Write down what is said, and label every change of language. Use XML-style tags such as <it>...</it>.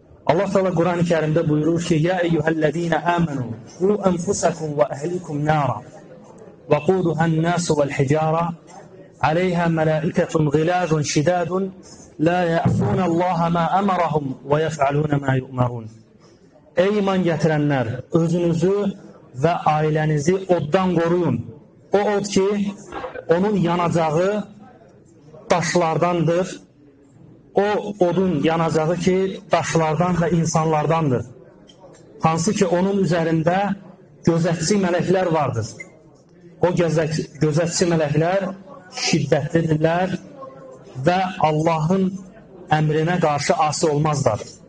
<az>Allah Teala Qur'an-ı Kerimdə buyurur ki,</az> <ar>Yə eyyuhəl-ləzînə əmənu, qu ənfusəkum və əhlikum nəra, və quduhən nəsu vəl-hicara, əleyhə mələikətun ghilazun şidadun, لا يعصون الله ما امرهم ويفعلون ما يؤمرون.</ar> <az>Ey iman gətirənlər, özünüzü və ailənizi oddan qoruyun. O od ki onun yanacağı daşlardandır. O odun yanacağı ki daşlardan və insanlardandır. Hansı ki onun üzərində gözətçi mələklər vardır. O gözətçi mələklər şiddətlidirlər və Allahın əmrinə qarşı asi olmazlar.</az>